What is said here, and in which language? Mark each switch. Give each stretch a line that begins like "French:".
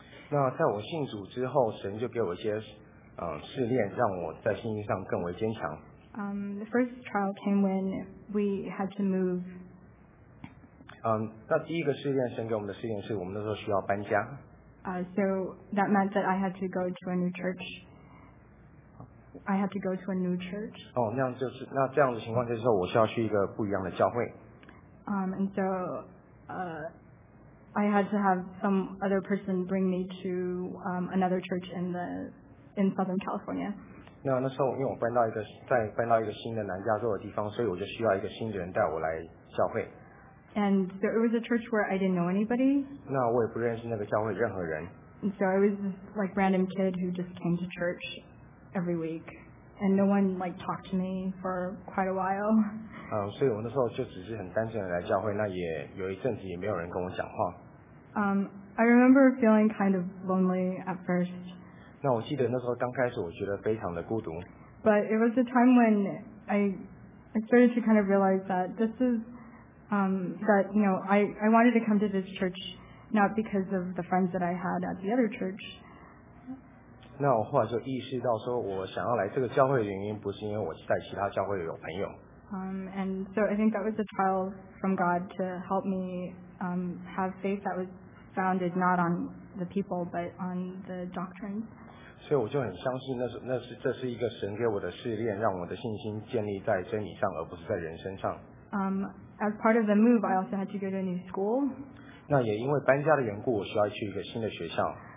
Chinese: 那在我信主之后，神就给我一些试炼，让我在信心上更为坚强。
English: The first trial came when we had to move.
Chinese: 那第一个试炼，神给我们的试炼是我们那时候需要搬家。
English: So that meant that I had to go to a new church. I had to go to a new church.
Chinese: 那这样的情况就是说，我需要去一个不一样的教会。
English: And so, I had to have some other person bring me to another church in Southern California.
Chinese: 那时候，因为我搬到一个新的南加州的地方，所以我就需要一个新的人带我来教会。
English: And so it was a church where I didn't know anybody.
Chinese: 那我也不认识那个教会任何人。
English: And so I was like random kid who just came to church every week, and no one like talked to me for quite a while.
Chinese: 所以我那时候就只是很单纯的来教会，那也有一阵子也没有人跟我讲话。
English: I remember feeling kind of lonely at first.
Chinese: 那我记得那时候刚开始，我觉得非常的孤独。
English: But it was a time when I started to kind of realize that this is that you know I wanted to come to this church not because of the friends that I had at the other church.
Chinese: 那我后来就意识到说我想要来这个教会的原因不是因为我在其他教会有朋友。
English: And so I think that was a trial from God to help me have faith that was founded not on the people but on the doctrine.
Chinese: 所以我就很相信这是一个神给我的试炼，让我的信心建立在真理上而不是在人身上。
English: As part of the move, I also had to go to a new school.
Chinese: 那也因为搬家的缘故，我需要去一个新的学校。